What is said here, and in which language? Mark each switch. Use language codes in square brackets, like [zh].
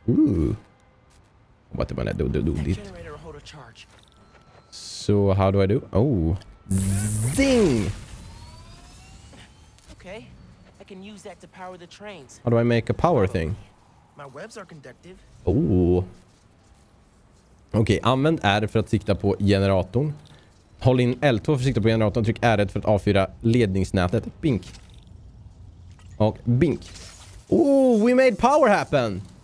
[en] Ooh. What am I gonna do this? Generator will hold a charge. So how do I do? Oh. Zing! Okay. I can use that to power the trains. How do I make a power thing? My webs are conductive. Ooh. [sv] Okej, använd R för att sikta på generatorn. Håll in L2 för att sikta på generatorn. Tryck R för att avfyra ledningsnätet. Bink. Och bink. [en] Ooh, we made power happen!